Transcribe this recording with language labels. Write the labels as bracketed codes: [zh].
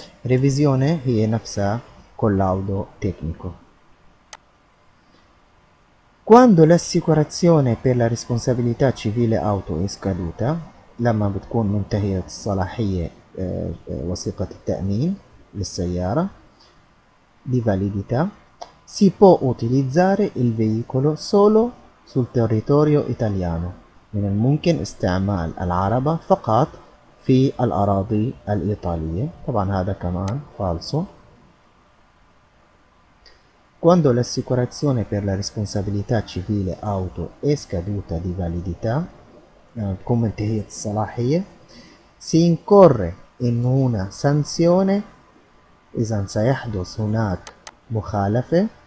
[ar] ريفيزيوني هي نفسها كولاودو تكنيكو. [it] Quando l'assicurazione per la responsabilità civile auto è scaduta, [ar] لما بتكون منتهية الصلاحية وثيقة التأمين للسيارة [it] di validità, si può utilizzare il veicolo solo sul territorio italiano. [ar] من الممكن استعمال العربة فقط في الأراضي الإيطالية. طبعا هذا كمان فالسو. [it] Quando l'assicurazione per la responsabilità civile auto è scaduta di validità, come [ar] منتهية الصلاحية, [it] si incorre in una sanzione, [ar] إذا سيحدث هناك مخالفة